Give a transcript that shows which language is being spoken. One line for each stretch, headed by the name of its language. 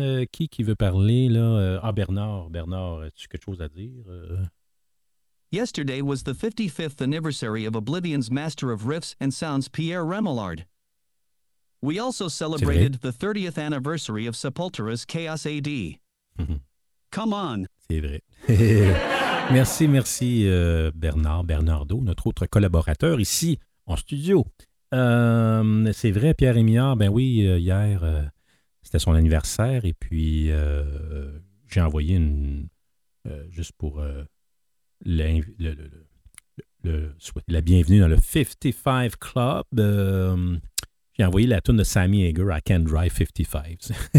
French: Qui veut parler, là? Ah, Bernard, as-tu quelque chose à dire?
English: Yesterday was the 55th anniversary of Oblivion's Master of Riffs and Sounds, Pierre Remillard. We also celebrated the 30th anniversary of Sepultura's Chaos AD. Come on!
French: C'est vrai. Merci, merci, Bernard, Bernardo, notre autre collaborateur ici. En studio. C'est vrai, Pierre Rémillard, ben oui, hier, c'était son anniversaire, et puis j'ai envoyé juste pour la bienvenue dans le 55 Club, j'ai envoyé la toune de Sammy Hager, I Can Drive 55.